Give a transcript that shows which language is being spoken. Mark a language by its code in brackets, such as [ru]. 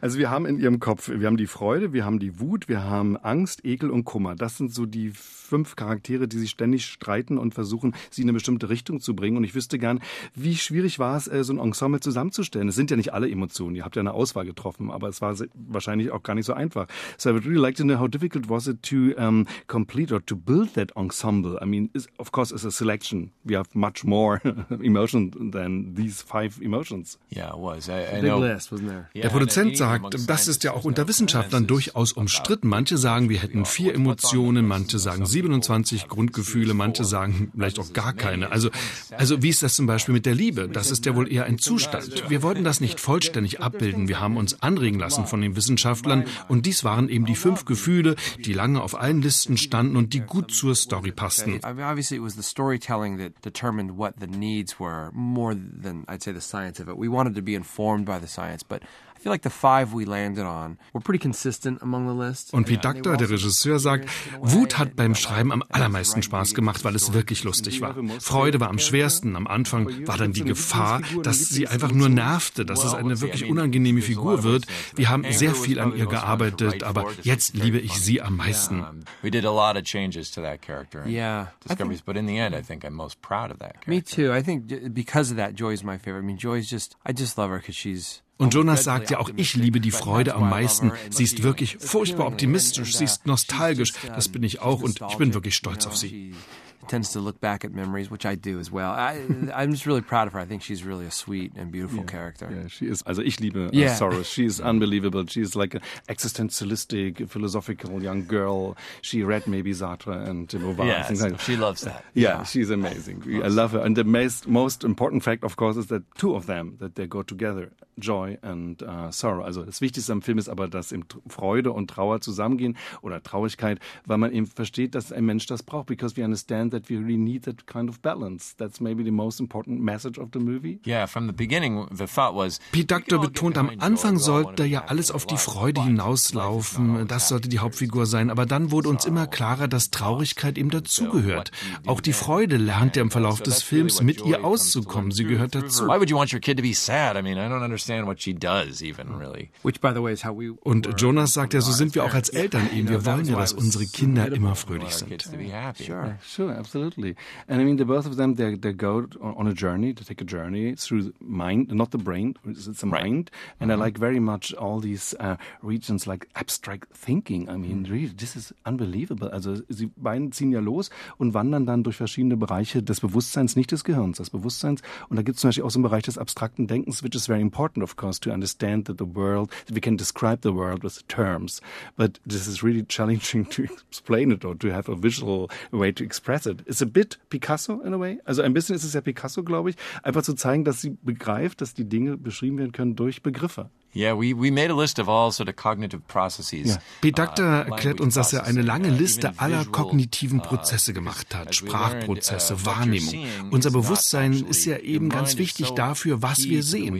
[de] Also wir haben in ihrem Kopf, wir haben die Freude, wir haben die Wut, wir haben Angst, Ekel und Kummer. Das sind so die 5 Charaktere, die sich ständig streiten und versuchen, sie in eine bestimmte Richtung zu bringen. Und ich wüsste gern, wie schwierig war es, so ein Ensemble zusammenzustellen. Es sind ja nicht alle Emotionen. Ihr habt ja eine Auswahl getroffen, aber es war wahrscheinlich auch gar nicht so einfach. [en] So I would really like to know how difficult was it to complete or to build that ensemble. I mean, of course, it's a selection. We have much more emotion than these 5 emotions. Yeah, it was. I know. Wasn't there? [de] Der Produzent sagt, das ist ja auch unter Wissenschaftlern durchaus umstritten. Manche sagen, wir hätten 4 Emotionen, manche sagen 27 Grundgefühle, manche sagen vielleicht auch gar keine. Also wie ist das zum Beispiel mit der Liebe? Das ist ja wohl eher ein Zustand. Wir wollten das nicht vollständig abbilden. Wir haben uns anregen lassen von den Wissenschaftlern und dies waren eben die 5 Gefühle, die lange auf allen Listen standen und die gut zur Story passten. [en] Obviously it was the storytelling that determined what the needs were, more than I'd say the science of it. We wanted to be informed by the science, but I feel like the 5 we landed on were pretty consistent among the list. [de] Und Pete Doctor, der Regisseur, sagt, Wut hat beim Schreiben am allermeisten Spaß gemacht, weil es wirklich lustig war. Freude war am schwersten. Am Anfang war dann die Gefahr, dass sie einfach nur nervte, dass es eine wirklich unangenehme Figur wird. Wir haben sehr viel an ihr gearbeitet, aber jetzt liebe ich sie am meisten. [en] We did a lot of changes to that character. Discoveries, but in the end, I think I'm most proud of that character. Me too. I think because of that, Joy is my favorite. I mean, Joy is just, I just love her because she's... [de] Und Jonas sagt ja auch, ich liebe die Freude am meisten. Sie ist wirklich furchtbar optimistisch, sie ist nostalgisch. Das bin ich auch und ich bin wirklich stolz auf sie. [en] tends to look back at memories, which I do as well. I'm just really proud of her. I think she's really a sweet and beautiful character. Yeah, she is. [de] Also, ich liebe Soros. [en] She is unbelievable. She is like an existentialistic, philosophical young girl. She read maybe Sartre and de Beauvoir. Yeah, like she loves that. Yeah, she's amazing. I love her. And the most important fact, of course, is that two of them, that they go together, Joy and Sorrow. [de] Also das Wichtigste am Film ist aber, dass eben Freude und Trauer zusammengehen oder Traurigkeit, weil man eben versteht, dass ein Mensch das braucht. [en] Because we understand that we really need that kind of balance. That's maybe the most important message of the movie. Yeah, from the beginning, the thought was. [de] Pete Docter betont, am Anfang sollte ja alles auf die Freude hinauslaufen. Das sollte die Hauptfigur sein. Aber dann wurde uns immer klarer, dass Traurigkeit eben dazugehört. Auch die Freude lernt ja im Verlauf des Films, mit ihr auszukommen. Sie gehört dazu. [en] Why would you want your kid to be sad? I mean, I don't understand what she does even really. Which, by the way, is how we. [de] Und Jonas sagt ja, so sind wir auch als Eltern eben. Wir wollen ja, dass unsere Kinder immer fröhlich sind. [en] Sure, absolutely. And I mean, the both of them, they go on a journey, they take a journey through the mind, not the brain, it's a mind. And I like very much all these regions, like abstract thinking. I mean, really, this is unbelievable. [de] Also, sie beiden ziehen ja los und wandern dann durch verschiedene Bereiche des Bewusstseins, nicht des Gehirns, des Bewusstseins. Und da gibt es zum Beispiel auch so einen Bereich des abstrakten Denkens, [en] which is very important, of course, to understand that the world, that we can describe the world with terms. But this is really challenging to explain it or to have a visual way to express it. It's a bit Picasso in a way. [de] Also ein bisschen ist es ja Picasso, glaube ich. Einfach zu zeigen, dass sie begreift, dass die Dinge beschrieben werden können durch Begriffe. [en] Yeah, we made a list of all sort of cognitive processes. [de] Pete Docter erklärt uns, dass er eine lange Liste aller kognitiven Prozesse gemacht hat. Sprachprozesse, Wahrnehmung. Unser Bewusstsein ist ja eben ganz wichtig dafür, was wir sehen.